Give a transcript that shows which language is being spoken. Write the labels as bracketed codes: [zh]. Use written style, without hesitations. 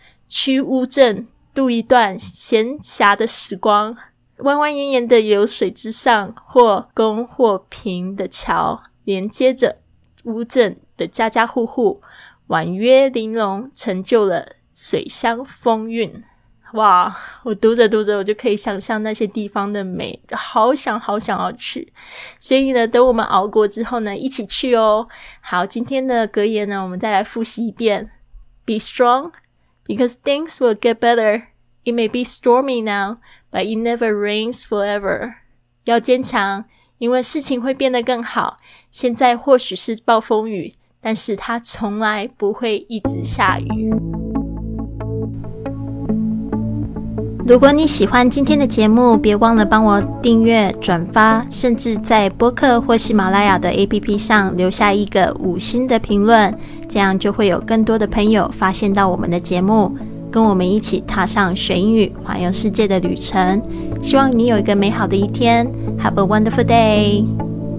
[zh] 去乌镇度一段闲暇的时光，弯弯延延的流水之上，或公或平的桥连接着乌镇的家家户户，婉约玲珑，成就了水乡风韵。哇，我读着读着我就可以想象那些地方的美，好想好想要去。所以呢，等我们熬过之后呢，一起去哦。好，今天的格言呢，我们再来复习一遍。 [en] Be strong, because things will get better. It may be stormy now, but it never rains forever. [zh] 要坚强，因为事情会变得更好。现在或许是暴风雨，但是它从来不会一直下雨。如果你喜欢今天的节目，别忘了帮我订阅、转发，甚至在播客或喜马拉雅的 APP 上留下一个五星的评论，这样就会有更多的朋友发现到我们的节目，跟我们一起踏上学英语、环游世界的旅程。希望你有一个美好的一天。 [en] Have a wonderful day!